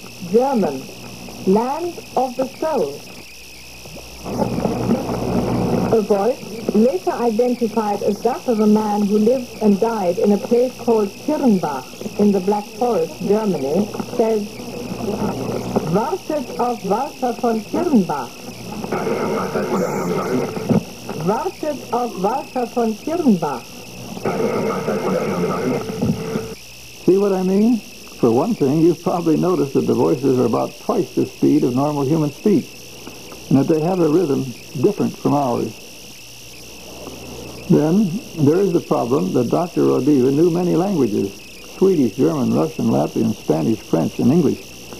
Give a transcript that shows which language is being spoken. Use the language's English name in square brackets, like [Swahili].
[English] German, land of the soul. A voice, later identified as that of a man who lived and died in a place called Kirnbach in the Black Forest, Germany, says, [German] Wartet auf Walter von Kirnbach. Wartet auf Walter von Kirnbach. [English] See what I mean? For one thing, you've probably noticed that the voices are about twice the speed of normal human speech, and that they have a rhythm different from ours. Then, there is the problem that Dr. Rodiva knew many languages, Swedish, German, Russian, Latvian, Spanish, French, and English.